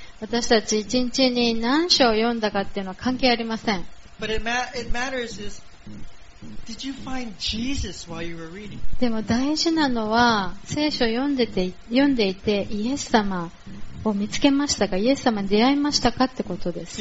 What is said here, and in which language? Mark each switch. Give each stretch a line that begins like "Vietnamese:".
Japanese: 私たち一日に何章読んだかっていうのは関係ありません。
English: But it matters is, did you find Jesus while you were reading?
Japanese: でも大事なのは、聖書読んでて、読んでいてイエス様を見つけましたか、イエス様に出会いましたかってことです。